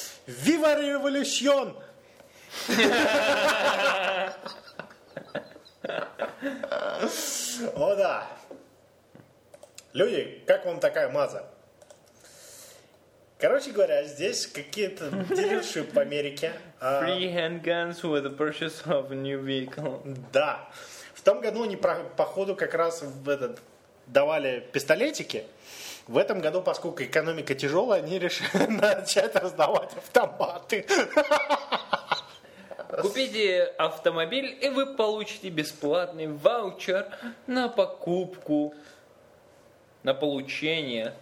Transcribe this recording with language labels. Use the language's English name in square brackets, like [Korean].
[English] Viva Revolution! [Russian] О да. Люди, как вам такая маза? Короче говоря, здесь какие-то дилерши по Америке. [English] Free handguns with the purchase of a new vehicle. [Russian] Да. В том году они, походу, как раз в этот, давали пистолетики. В этом году, поскольку экономика тяжелая, они решили начать раздавать автоматы. Купите автомобиль, и вы получите бесплатный ваучер на покупку, на получение